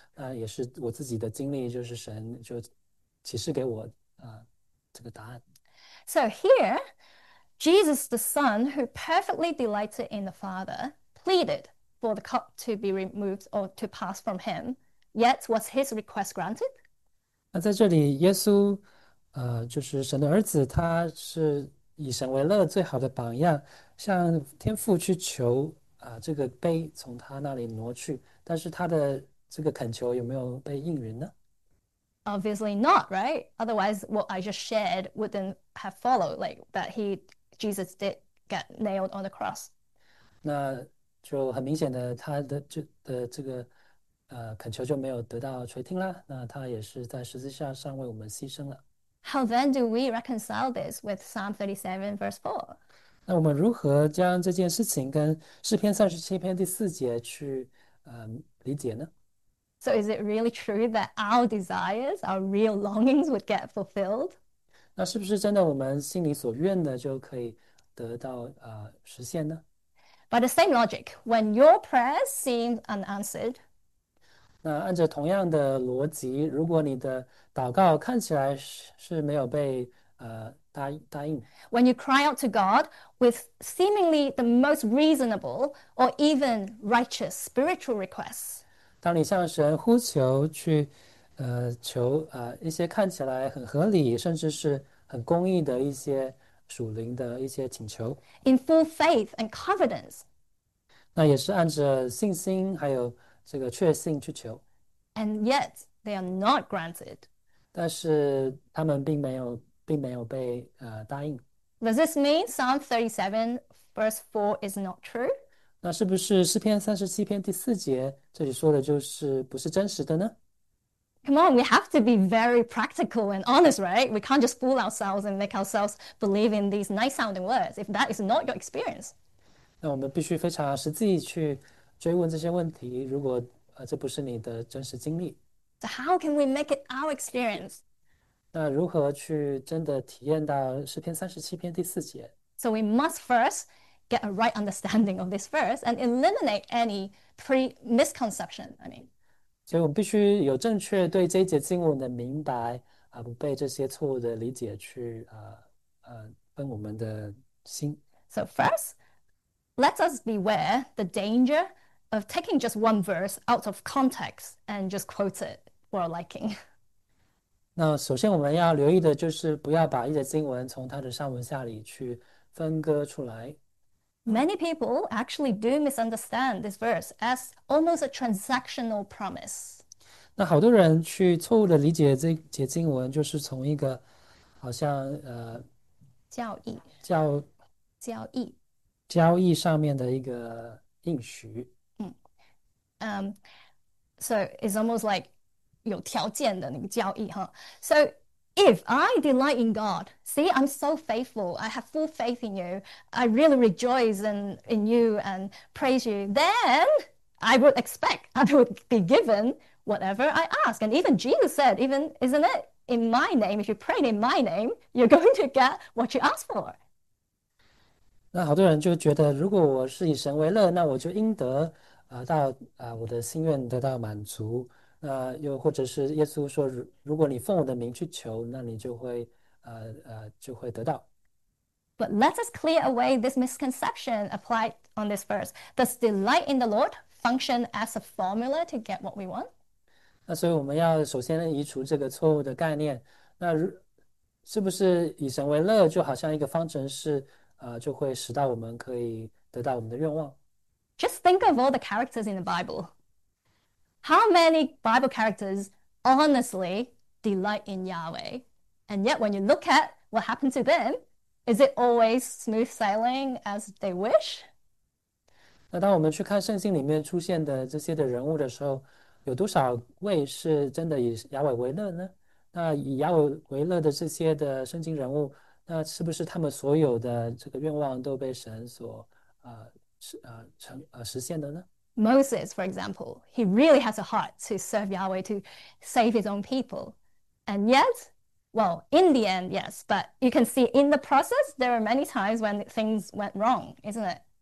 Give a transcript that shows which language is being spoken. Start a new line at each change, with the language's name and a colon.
Chinese: 那也是我自己的经历，就是神就启示给我这个答案。
English: So here, Jesus the Son, who perfectly delighted in the Father, pleaded for the cup to be removed or to pass from him. Yet, was his request granted?
Chinese: 那在这里，耶稣，就是神的儿子，他是以神为乐最好的榜样，向天父去求这个杯从他那里挪去，但是他的这个恳求有没有被应允呢？
English: Obviously not, right? Otherwise, what I just shared wouldn't have followed, like that Jesus did get nailed on the cross.
Chinese: 那就很明显的，他的这个。恳求就没有得到垂听啦。那他也是在十字架上为我们牺牲了。
English: How then do we reconcile this with Psalm 37, verse 4?
Chinese: 那我们如何将这件事情跟诗篇37篇第四节去理解呢？
English: So, is it really true that our desires, our real longings, would get fulfilled?
Chinese: 那是不是真的我们心里所愿的就可以得到实现呢？
English: By the same logic, when your prayers seem unanswered,
Chinese: 那按照同样的逻辑，如果你的祷告看起来是没有被答应，
English: when you cry out to God with seemingly the most reasonable or even righteous spiritual requests,
Chinese: 当你向神呼求去求一些看起来很合理，甚至是很公义的一些属灵的一些请求，
English: In full faith and confidence.
Chinese: 那也是按着信心还有。这个确信去求，
English: And yet, they are not granted.
Chinese: 但是他们并没有被答应。
English: Does this mean Psalm 37:4 verse 4 is not true.
Chinese: 那是不是诗篇37篇第四节这里说的就是不是真实的呢？
English: Come on, we have to be very practical and honest, right? We can't just fool ourselves and make ourselves believe in these nice sounding words if that is not your experience.
Chinese: 那我们必须非常实际去追问这些问题，如果这不是你的真实经历，
English: So how can we make it our experience?
Chinese: 那如何去真的体验到诗篇37篇第四节？
English: So we must first get a right understanding of this verse and eliminate any misconception, I mean.
Chinese: 所以我们必须有正确对这一节经文的明白不被这些错误的理解去分我们的心。
English: So first, let us beware the danger of taking just one verse out of context and just quote it for our liking.
Chinese: 那首先我们要留意的就是不要把一节经文从它的上文下理去分割出来。
English: Many people actually do misunderstand this verse as almost a transactional promise.
Chinese: 那好多人去错误的理解这节经文，就是从一个好像教义。交易，交易上面的一个应许。
English: so it's almost like
Chinese: 有条件的那个交易,
English: huh? So if I delight in God, see, I'm so faithful, I have full faith in you, I really rejoice in you and praise you, then I would expect, I would be given whatever I ask. And even Jesus said, even, isn't it, in my name, if you prayed in my name, you're going to get what you asked for.
Chinese: 那好多人就觉得，如果我是以神为乐，那我就应得我的心愿得到满足。那又或者是耶稣说，如果你奉我的名去求，那你就会得到。
English: But let us clear away this misconception applied on this verse. Does delight in the Lord function as a formula to get what we want?
Chinese: 那所以我们要首先移除这个错误的概念。那是不是以神为乐，就好像一个方程式？就会使到我们可以得到我们的愿望。
English: Just think of all the characters in the Bible. How many Bible characters honestly delight in Yahweh? And yet, when you look at what happened to them, is it always smooth sailing as they wish?
Chinese: 那当我们去看圣经里面出现的这些的人物的时候，有多少位是真的以亚伟为乐呢？那以亚伟为乐的这些的圣经人物。那是不是他们所有的这个愿望都被神所实现的呢？
English: Moses, for example, he really has a heart to serve Yahweh to save his own people. And yet, well, in the end, yes, but you can see in the process, there are many times when things went wrong, isn't it?